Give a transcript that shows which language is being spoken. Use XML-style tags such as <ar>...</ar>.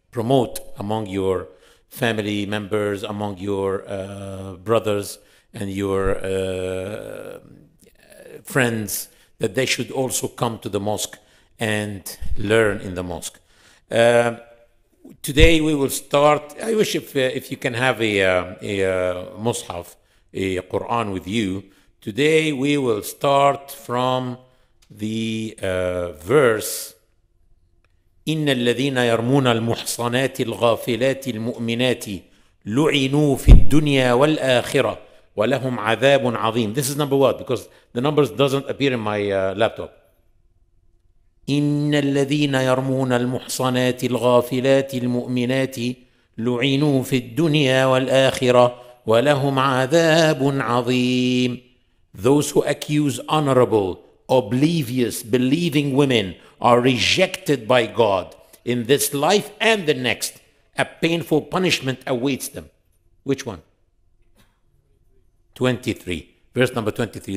<en>Promote among your family members, among your brothers and your friends, that they should also come to the mosque and learn in the mosque. Today we will start. I wish if you can have a mushaf, a Quran with you. Today we will start from the verse,</en> <ar>إن الذين يرمون المحصنات الغافلات المؤمنات لعنوا في الدنيا والآخرة ولهم عذاب عظيم.</ar> <en>This is number one, because the numbers doesn't appear in my laptop.</en> <ar>إن الذين يرمون المحصنات الغافلات المؤمنات لعنوا في الدنيا والآخرة ولهم عذاب عظيم.</ar> <en>Those who accuse honorable, oblivious, believing women are rejected by God in this life and the next. A painful punishment awaits them. Which one? 23. Verse number 23.</en>